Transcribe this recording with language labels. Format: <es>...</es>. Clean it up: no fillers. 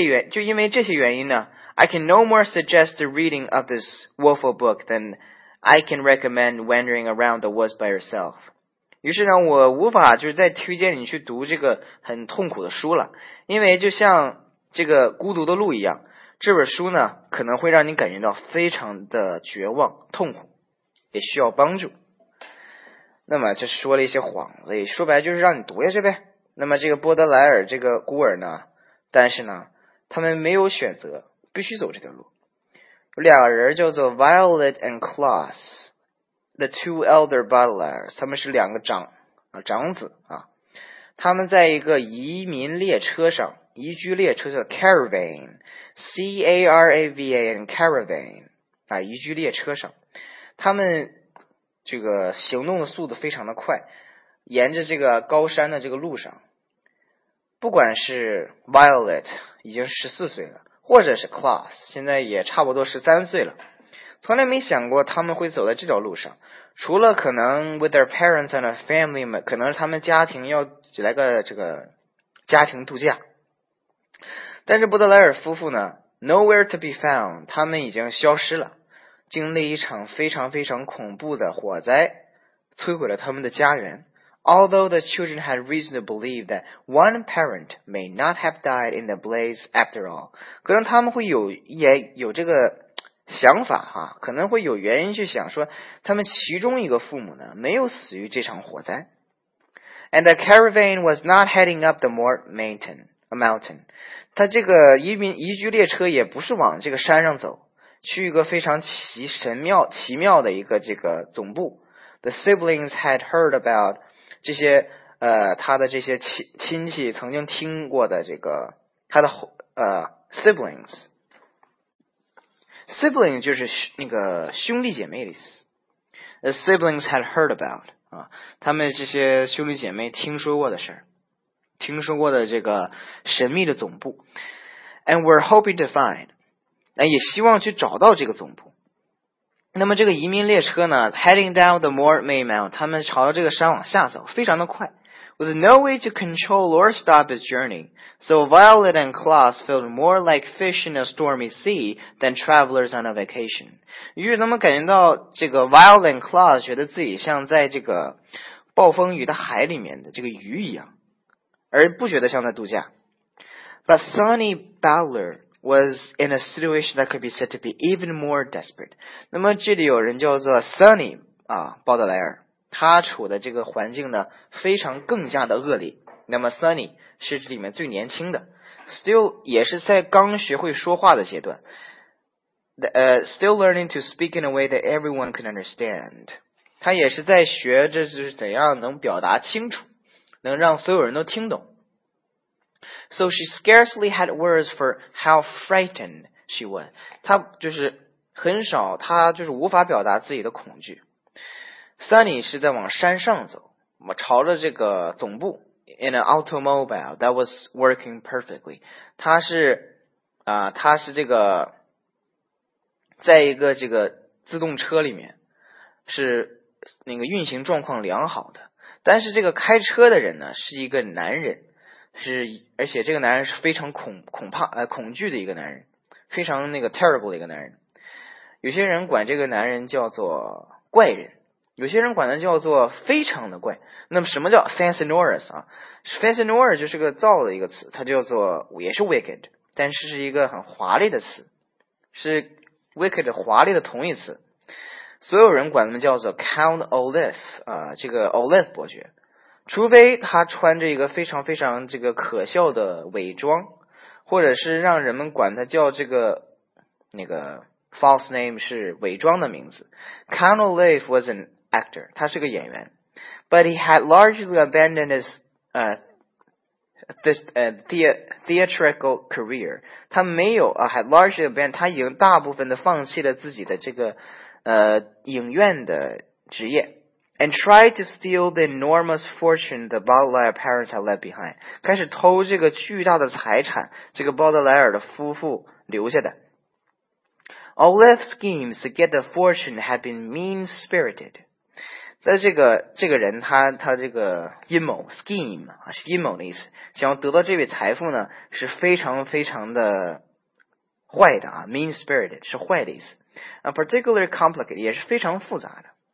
<zh>就因为这些原因呢</zh> <en>，I can no more suggest the reading of this woeful book than I can recommend wandering around the woods by yourself.</en> <zh>于是呢，我无法就是再推荐你去读这个很痛苦的书了，因为就像这个孤独的路一样，这本书呢可能会让你感觉到非常的绝望、痛苦，也需要帮助。那么这说了一些幌子，也说白了就是让你读下去呗。那么这个波德莱尔这个孤儿呢？但是呢他们没有选择必须走这条路。有两个人叫做</zh> <en>Violet and Klaus, the two elder Baudelaires,</en> <zh>他们是两个长子啊。他们在一个移居列车叫 移居列车上。他们这个行动的速度非常的快，沿着这个高山的这个路上。不管是 Violet 已经14岁了，或者是 Klaus 现在也差不多13岁了，从来没想过他们会走在这条路上，除了可能</zh> <en>with their parents and a family,</en> <zh>可能是他们家庭要来个这个家庭度假。但是波德莱尔夫妇呢</zh> <en>nowhere to be found,</en> <zh>他们已经消失了，经历一场非常非常恐怖的火灾，摧毁了他们的家园。</zh> <en>Although the children had reason to believe that one parent may not have died in the blaze after all.</en> <zh>可能他们会也有这个想法哈，可能会有原因去想说他们其中一个父母呢没有死于这场火灾。</zh> <en>And the caravan was not heading up the mountain.</en> <zh>他这个移居列车也不是往这个山上走，去一个非常奇妙的一个这个总部。</zh> <en>The siblings had heard about</en> <zh>这些他的这些亲戚曾经听过的这个他的siblings 就是那个兄弟姐妹的意思。</zh> <en>The siblings had heard about</en> <zh>啊，他们这些兄弟姐妹听说过的事儿，听说过的这个神秘的总部 ，</zh> <en>and were hoping to find</en> <zh>也希望去找到这个总部。那么这个移民列车呢 ，</zh> <en>heading down the Mortimer Mountain，</en> <zh>他们朝着这个山往下走，非常的快。</zh> <en>with no way to control or stop his journey. So Violet and Klaus felt more like fish in a stormy sea than travelers on a vacation.</en> <zh>于是他们感觉到这个 Violet and Klaus 觉得自己像在这个暴风雨的海里面的这个鱼一样，而不觉得像在度假。</zh> <en>But Sonny Bowler was in a situation that could be said to be even more desperate.</en> <zh>那么这里有人叫做 Sonny 啊，鲍德莱尔，他处的这个环境呢，非常更加的恶劣。那么 Sonny 是这里面最年轻的 ，still 也是在刚学会说话的阶段 ，</zh> <en>still learning to speak in a way that everyone can understand.</en> <zh>他也是在学着是怎样能表达清楚，能让所有人都听懂。</zh> <en>So she scarcely had words for how frightened she was.</en> <zh>她就是很少，她就是无法表达自己的恐惧。 Sunny 是在往山上走，朝着这个总部</zh> <en>in an automobile that was working perfectly.</en> <zh>她是啊、她是这个在一个这个自动车里面，是那个运行状况良好的。但是这个开车的人呢，是一个男人。是，而且这个男人是非常恐惧的一个男人，非常那个 terrible 的一个男人。有些人管这个男人叫做怪人，有些人管他叫做非常的怪。那么什么叫 fascinorous 啊 ？fascinorous 就是个造的一个词，它叫做也是 wicked， 但是是一个很华丽的词，是 wicked 华丽的同义词。所有人管他们叫做 Count Olaf 啊、这个 Olaf 伯爵。除非他穿着一个非常非常这个可笑的伪装，或者是让人们管他叫这个那个 false name 是伪装的名字。</zh> <en>Count Olaf was an actor，</en> <zh>他是个演员</zh> <en>，but he had largely abandoned his theatrical career。</en> <zh>他没有啊、，</zh> <en>had largely abandoned，</en> <zh>他已经大部分的放弃了自己的这个影院的职业。</zh> <en>And tried to steal the enormous fortune the Baudelaire parents had left behind.</en> <zh>开始偷这个巨大的财产，这个鲍德莱尔的夫妇留下的。</zh> <en>Olaf's schemes to get the fortune had been mean-spirited.</en> <zh>在这个人他这个阴谋 scheme 啊是阴谋的意思，想要得到这笔财富呢是非常非常的坏的啊 ，mean-spirited 是坏的意思。</zh> <en>A particular complicated</en> <zh>也是非常复杂的。</zh>